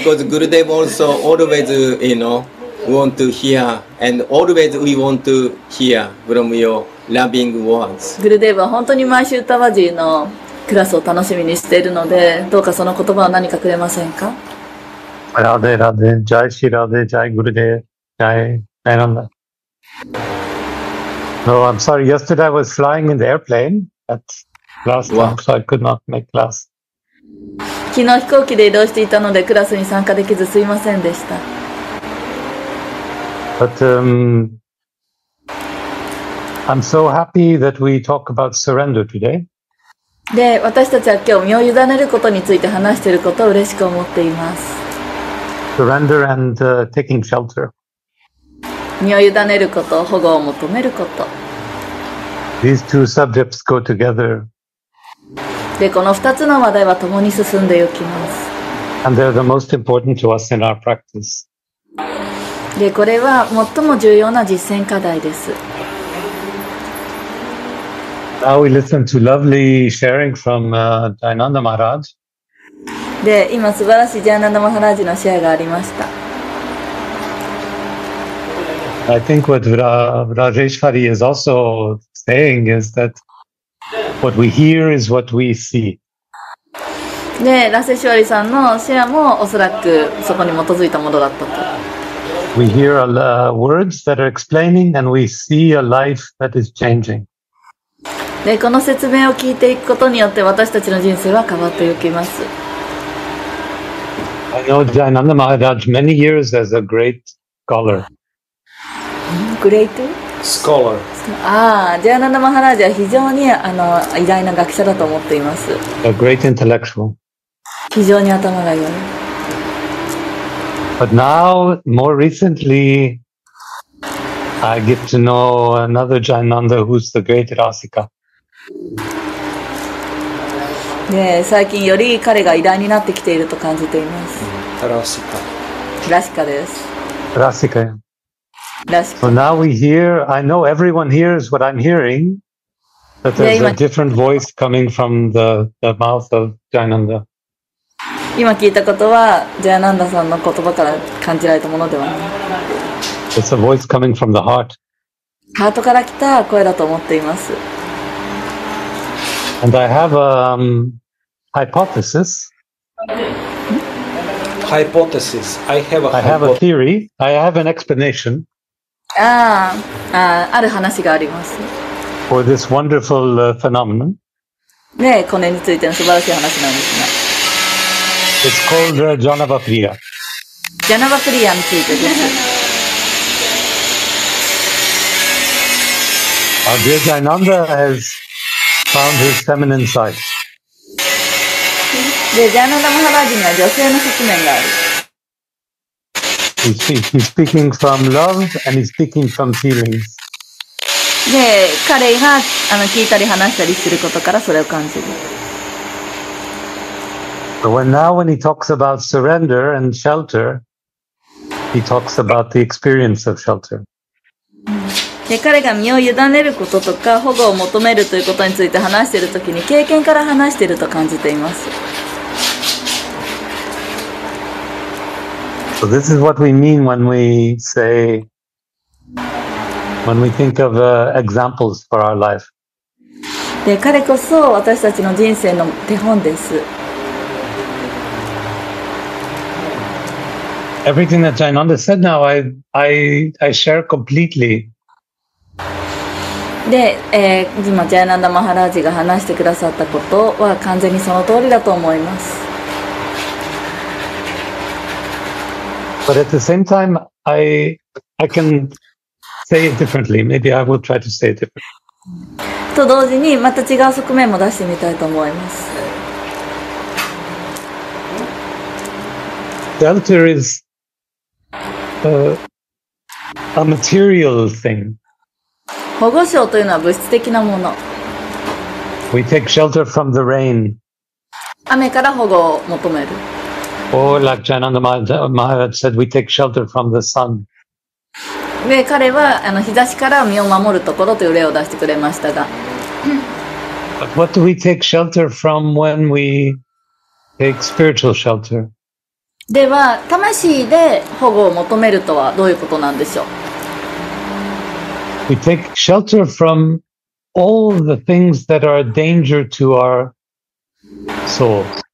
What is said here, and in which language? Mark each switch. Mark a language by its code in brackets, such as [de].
[en] Because Gurudev also always, you know, want to hear, and always we want to hear from your loving words. [ja] Gurudev は本当に毎週ウッタバジのクラスを楽しみにしているので、どうかその言葉を何かくれませんか？ [hi] ラデラデ、ジャイシラデ、ジャイグルデ、ジャイ、ジャイナンダ。 [en] No, I'm sorry. Yesterday I was flying in the airplane at last time, so I could not make class. [ja] 昨日飛行機で移動していたのでクラスに参加できずすいませんでした。 [en] But, I'm so happy that we talk about surrender today. [ja] で、私たちは今日身を委ねることについて話していることを嬉しく思っています。 [en] Surrender and taking shelter. [ja] 身を委ねること、保護を求めること。 [en] These two subjects go together. [ja] で、この二つの話題は共に進んでいきます。 [en] And they're the most important to us in our practice. [ja] で、これは最も重要な実践課題です。 [en] Now we listen to lovely sharing from Jayananda Maharaj. [ja] で、今素晴らしいジャーナンダ・マハラージのシェアがありました。 [en] I think what Vrajeshwari is also saying is that what we hear is what we see. [ja] で、ラセシュワリさんのシェアもおそらくそこに基づいたものだったと。 [en] We hear a words that are explaining and we see a life that is changing. [ja] で、この説明を聞いていくことによって私たちの人生は変わっていきます。 [en] I know Jayananda Maharaj many years as a great scholar. Great? Scholar. [ja] Ah, Jayananda Maharaj は非常に偉大な学者だと思っています。 [en] A great intellectual. [ja] 非常に頭が良い。 [en] But now, more recently, I get to know another Jayananda who's the great Rasika. [ja] ね、最近より彼が偉大になってきていると感じています。ラシカ。ラシカです。ラシカ。ラシカ。 [en] So now we hear, I know everyone hears what I'm hearing, but there's a different voice coming from the mouth of Jayananda. [ja] 今聞いたことは、ジャヤナンダさんの言葉から感じられたものではない。 [en] It's a voice coming from the heart. [ja] ハートから来た声だと思っています。 [en] And I have a hypothesis. Hypothesis. I have a theory. I have an explanation. [ja] ある話があります。 [en] For this wonderful phenomenon. [ja] ね、これについての素晴らしい話なんですね。 [en] It's called Janava Priya. [ja] Janava Priya についてです。 [en] Our dear Jayananda has. Found his feminine side. [ja] で、ジャーナンダ・マハラージには女性の側面がある。 [en] He's speaking from love and he's speaking from feelings. [ja] で、彼が聞いたり話したりすることからそれを感じる。 [en] So when now when he talks about surrender and shelter, he talks about the experience of shelter. [ja] で彼が身を委ねることとか保護を求めるということについて話しているときに経験から話していると感じています。 [en] So this is what we mean when we say, when we think of examples for our life. [ja] で彼こそ私たちの人生の手本です。 [en] Everything that Jayananda said now, I share completely. [ja] で、今ジャイナンダマハラージが話してくださったことは完全にその通りだと思います。 [en] But at the same time, I can say it differently. Maybe I will try to say it differently. [ja] と同時にまた違う側面も出してみたいと思います。 [en] The altar is a material thing. [ja] 保護所というのは物質的なもの。 [en] We take shelter from the rain. [ja] 雨から保護を求める。 [en] Or like Jainanda Maharaj said, we take shelter from the sun. [ja] で、彼は日差しから身を守るところという例を出してくれましたが。 [en] But what do we take shelter from when we take spiritual shelter? [ja] では、魂で保護を求めるとはどういうことなんでしょう? [en] We take shelter from all the things that are a danger to our souls.